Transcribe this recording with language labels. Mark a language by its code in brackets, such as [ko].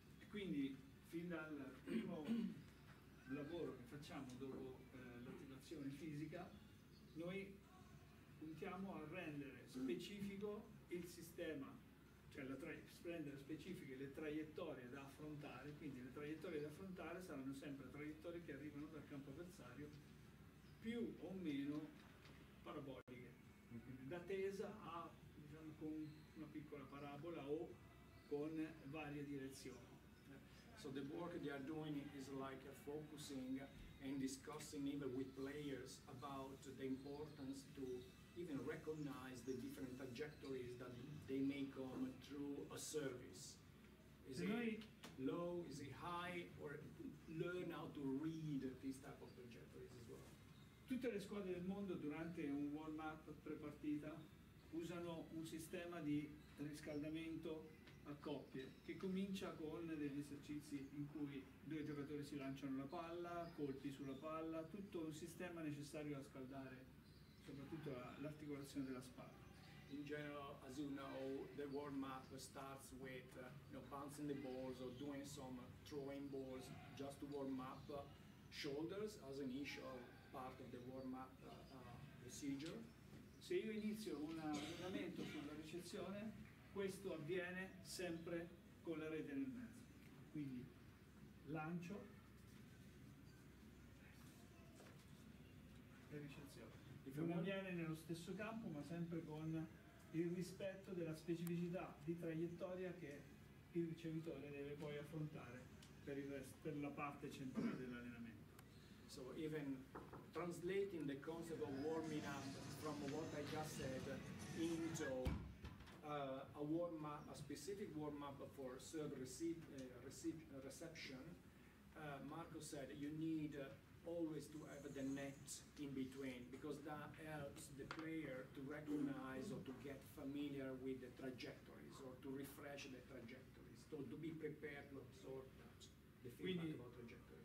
[it] Quindi fin dal primo lavoro che facciamo dopo l'attivazione fisica, noi puntiamo a rendere specifico il sistema, cioè rendere specifiche le traiettorie da affrontare. Quindi le traiettorie da affrontare saranno sempre traiettorie che arrivano dal campo avversario più o meno paraboliche, da tesa a, diciamo, con una piccola parabola o con varie direzioni. [en] So the work they are doing is like focusing and discussing even with players about the importance to even recognize the different trajectories that they may come through a service. Is it low, is it high, or learn how to read these type of trajectories as well? [it] Tutte le squadre del mondo durante un warm-up pre-partita usano un sistema di riscaldamento a coppie che comincia con degli esercizi in cui due giocatori si lanciano la palla, colpi sulla palla, tutto un sistema necessario a scaldare soprattutto l'articolazione della spalla. [en] In general, as you know, the warm up starts with bouncing the balls or doing some throwing balls just to warm up shoulders as an initial part of the warm up procedure. [it] Se io inizio un allenamento sulla ricezione, questo avviene sempre con la rete nel mezzo. Quindi lancio e ricezione. Non avviene nello stesso campo, ma sempre con il rispetto della specificità di traiettoria che il ricevitore deve poi affrontare per il resto, per la parte centrale dell'allenamento. [en] So even translating the concept of warming up from what I just said into a warm up, a specific warm up for serve reception, Marco said you need always to have the net in between, because that helps the player to recognize or to get familiar with the trajectories or to refresh the trajectories, so to be prepared to absorb that, the feedback about trajectory.